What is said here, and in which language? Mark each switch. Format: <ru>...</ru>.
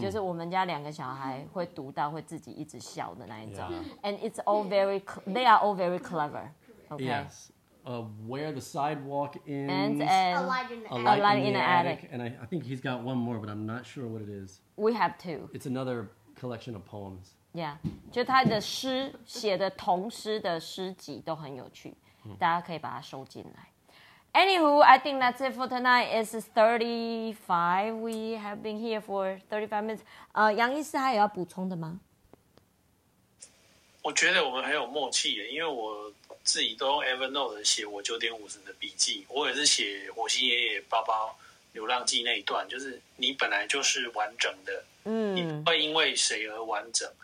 <zh>就是我们家两个小孩会读到会自己一直笑的那一种、</zh> <en>yeah. And it's all very they are all very clever、okay? YesWhere the sidewalk ends, a light in the attic. And I think he's got one more, but I'm not sure what it is. We have two. It's another collection of poems. Yeah.</en> <zh>就他的诗写的同诗的诗集都很有趣，大家可以把它收进来。</zh> <en>Anywho, I think that's it for tonight. It's 35. We have been here for 35 minutes.</en> <zh>杨医师还有要补充的吗？我觉得我们很有默契耶，因为我自己都用 Evernote 写我9:50的笔记，我也是写火星爷爷包包流浪记那一段，就是你本来就是完整的，嗯，你不会因为谁而完整，</zh>